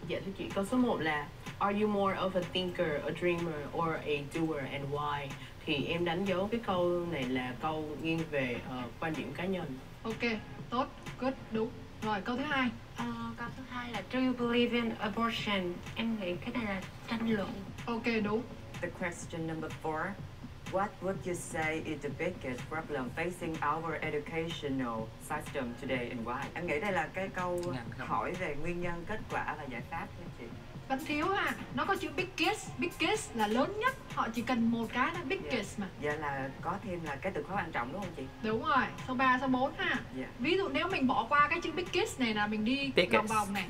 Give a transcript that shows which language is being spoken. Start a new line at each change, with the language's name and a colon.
Vietnamese: Dạ thưa chị, câu số 1 là
English: Are you more of a thinker, a dreamer or a doer and why?
Vietnamese: Thì em đánh dấu cái câu này là câu nghiêng về quan điểm cá nhân. Ok, tốt, good, đúng. Rồi, câu thứ 2. Câu thứ 2 là
English: Do you believe in abortion?
Vietnamese: Em nghĩ cái này là tranh luận. Ok, đúng.
English: The question number 4. What would you say is the biggest problem facing our educational system today and why?
Vietnamese: Em nghĩ đây là cái câu hỏi về nguyên nhân, kết quả và giải pháp nha chị. Vẫn thiếu à? Nó có chữ biggest. Biggest là lớn nhất. Họ chỉ cần một cái là biggest mà. Dạ là có thêm là cái từ khóa quan trọng đúng không chị? Đúng rồi. Số 3, số 4 ha.
English: Yeah.
Vietnamese: Ví dụ nếu mình bỏ qua cái chữ biggest này là mình đi vòng vòng này.